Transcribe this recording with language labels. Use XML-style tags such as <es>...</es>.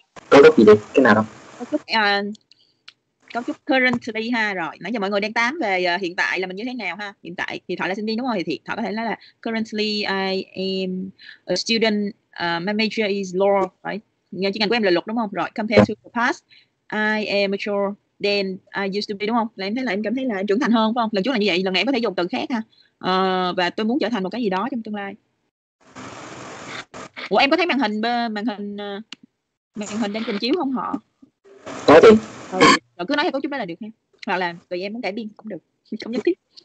<vi>Cấu trúc gì đi? Cái nào đâu? Cấu trúc currently ha. Rồi. Nãy giờ mọi người đang tám về hiện tại là mình như thế nào ha? Hiện tại thì Thảo là sinh viên đúng không? Thì Thảo có thể nói là</vi> <en>currently I am a student, my major is law, right?</en> <vi>Ngành chuyên ngành của em là luật đúng không?</vi> <en>Rồi, compared to the past, I am mature. Then I used to be,</en> <vi>đúng không? Là em thấy là em cảm thấy là em trưởng thành hơn, phải không? Lần trước là như vậy, lần này em có thể dùng từ khác ha. Và tôi muốn trở thành một cái gì đó trong tương lai. Ủa, em có thấy màn hình đang trình chiếu không họ? Có đi. Rồi cứ nói theo cấu trúc đó là được ha. Hoặc là tụi em muốn cải biên cũng được, không nhất thiết.</vi>